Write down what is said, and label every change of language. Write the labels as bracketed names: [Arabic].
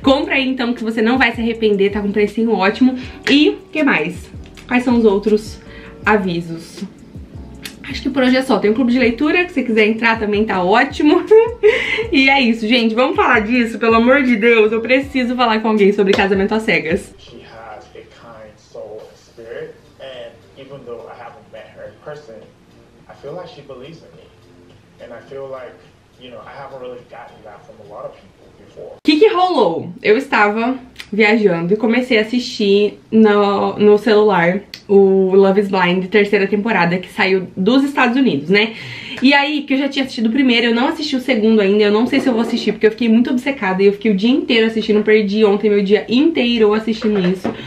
[Portuguese] Compra aí então, que você não vai se arrepender, tá com um precinho ótimo. E o que mais? Quais são os outros avisos? Acho que por hoje é só. Tem um clube de leitura, que se quiser entrar também tá ótimo. E é isso, gente. Vamos falar disso, pelo amor de Deus. Eu preciso falar com alguém sobre casamento às cegas. [English] She has a kind soul and spirit. And even though I haven't met her in person, I feel like she believes in me. And I feel like, you know, I haven't really gotten that from a lot of people before. [Portuguese] Que rolou? Eu estava viajando e comecei a assistir no celular o Love is Blind, terceira temporada, que saiu dos Estados Unidos, né? E aí, que eu já tinha assistido o primeiro, eu não assisti o segundo ainda, eu não sei se eu vou assistir, porque eu fiquei muito obcecada e eu fiquei o dia inteiro assistindo, perdi ontem meu dia inteiro assistindo isso.